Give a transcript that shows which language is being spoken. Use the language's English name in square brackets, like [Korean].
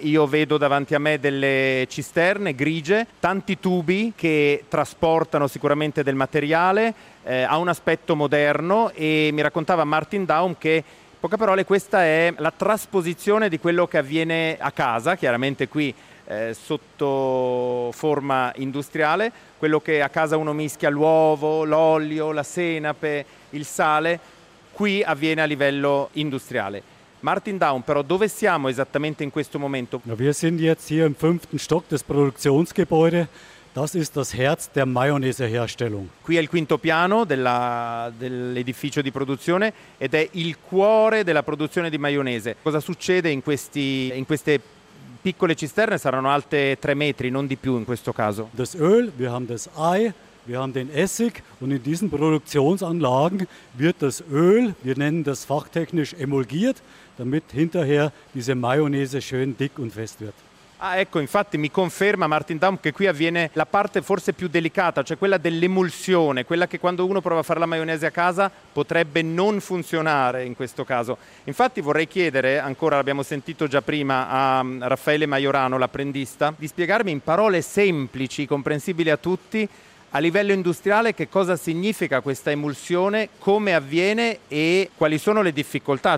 [Italian] Io vedo davanti a me delle cisterne grigie, tanti tubi che trasportano sicuramente del materiale, ha un aspetto moderno e mi raccontava Martin Daum che, in poche parole, questa è la trasposizione di quello che avviene a casa, chiaramente qui sotto forma industriale, quello che a casa uno mischia l'uovo, l'olio, la senape, il sale. Qui avviene a livello industriale. Martin Daum, però, dove siamo esattamente in questo momento? [German] Ja, wir sind jetzt hier im fünften Stock des Produktionsgebäudes. Das ist das Herz der Mayonnaise-Herstellung. [Italian] Qui è il quinto piano dell'edificio di produzione ed è il cuore della produzione di maionese. Cosa succede in queste piccole cisterne? Saranno alte 3 metri, non di più in questo caso. [German] Das Öl, wir haben das Ei. Wir haben den Essig und in diesen Produktionsanlagen wird das Öl, wir nennen das fachtechnisch emulgiert, damit hinterher diese Mayonnaise schön dick und fest wird. [Italian] Ah, ecco, infatti mi conferma Martin Daum che qui avviene la parte forse più delicata, cioè quella dell'emulsione, quella che quando uno prova a fare la maionese a casa potrebbe non funzionare in questo caso. Infatti vorrei chiedere, ancora l'abbiamo sentito già prima, a Raffaele Maiorano, l'apprendista, di spiegarmi in parole semplici, comprensibili a tutti, a livello industriale, che cosa significa questa emulsione, come avviene e quali sono le difficoltà?